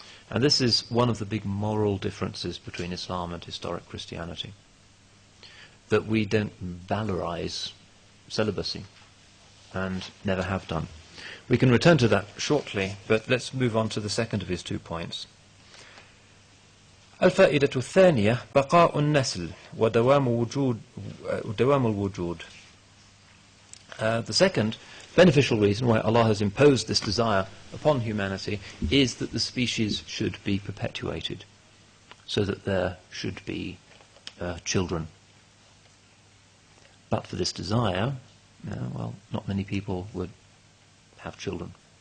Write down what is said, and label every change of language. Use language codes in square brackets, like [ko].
[en] And this is one of the big moral differences between Islam and historic Christianity. That we don't valorize celibacy, and never have done. We can return to that shortly, but let's move on to the second of his two points. [ar] الفائدة الثانية بقاء النسل ودوام وجود دوام الوجود. [en] The second beneficial reason why Allah has imposed this desire upon humanity is that the species should be perpetuated, so that there should be children. But for this desire, not many people would have children.